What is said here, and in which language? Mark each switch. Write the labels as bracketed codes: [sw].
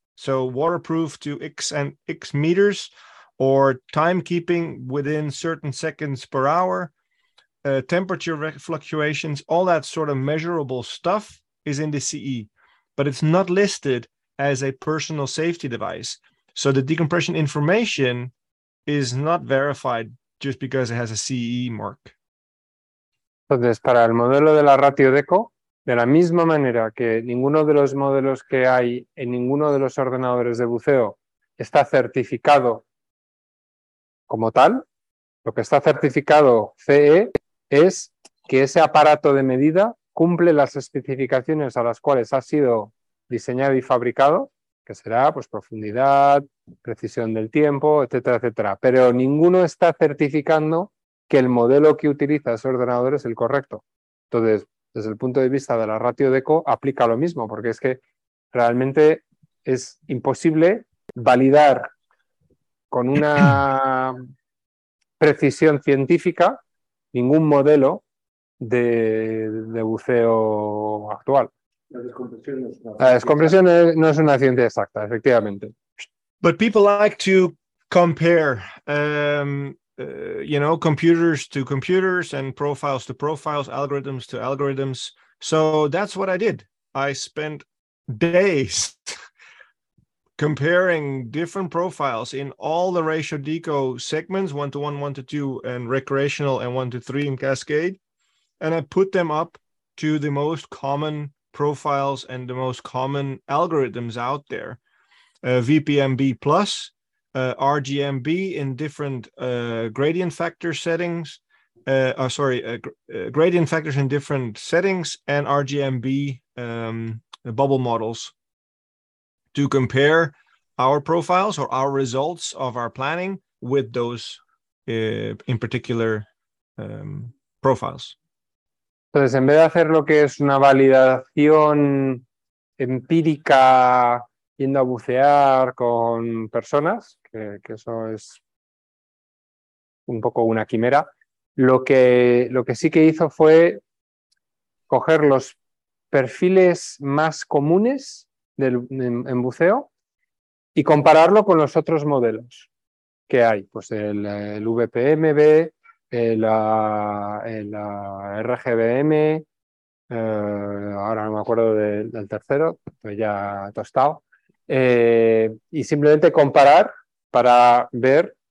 [en] So waterproof to X and X meters, or timekeeping within certain seconds per hour, temperature fluctuations, all that sort of measurable stuff is in the CE, but it's not listed as a personal safety device. So the decompression information is not verified just because it has a CE mark. [es] Entonces, para el modelo de la ratio DECO, de la misma manera que ninguno de los modelos que hay en ninguno de los ordenadores de buceo está certificado como tal, lo que está certificado CE es que ese aparato de medida cumple las especificaciones a las cuales ha sido diseñado y fabricado, que será pues profundidad, precisión del tiempo, etcétera, etcétera. Pero ninguno está certificando que el modelo que utiliza ese ordenador es el correcto. Entonces, desde el punto de vista de la ratio DECO, aplica lo mismo, porque es que realmente es imposible validar con una precisión científica ningún modelo de buceo actual. La descompresión no es una ciencia exacta, efectivamente. [en] But people like to compare, computers to computers and profiles to profiles, algorithms to algorithms. So that's what I did. I spent days comparing different profiles in all the ratio deco segments, 1:1, 1:2, and recreational, and 1:3 in Cascade. And I put them up to the most common profiles and the most common algorithms out there. VPMB plus, RGMB in different gradient factor settings, gradient factors in different settings, and RGMB bubble models to compare our profiles or our results of our planning with those in particular profiles. [es] Entonces, en vez de hacer lo que es una validación empírica yendo a bucear con personas, que eso es un poco una quimera, lo que sí que hizo fue coger los perfiles más comunes en buceo y compararlo con los otros modelos que hay, pues el VPMB, la RGBM, ahora no me acuerdo del tercero, pues ya tostado, y simplemente comparar para ver